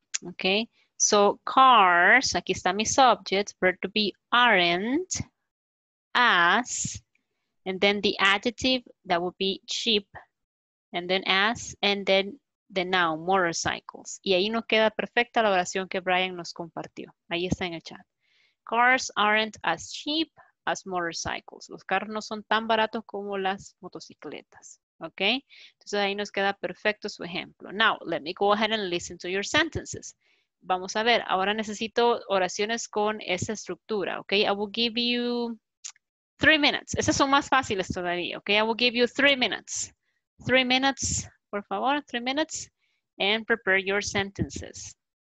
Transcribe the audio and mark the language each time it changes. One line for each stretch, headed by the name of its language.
English: Okay, so cars,
Spanish: aquí está mi
English: subject, verb to be aren't as, and then the adjective that would be cheap, and then as, and then the noun, motorcycles.
Spanish: Y ahí nos queda perfecta la oración que Brian nos compartió. Ahí está en el chat.
English: Cars aren't as cheap as motorcycles.
Spanish: Los carros no son tan baratos como las motocicletas. Ok. Entonces ahí nos queda perfecto su ejemplo.
English: Now, let me go ahead and listen to your sentences.
Spanish: Vamos a ver. Ahora necesito oraciones con esa estructura. Ok.
English: I will give you 3 minutes.
Spanish: Esas son más fáciles todavía.
English: Ok. I will give you 3 minutes. 3 minutes.
Spanish: Por favor,
English: 3 minutes and prepare your sentences.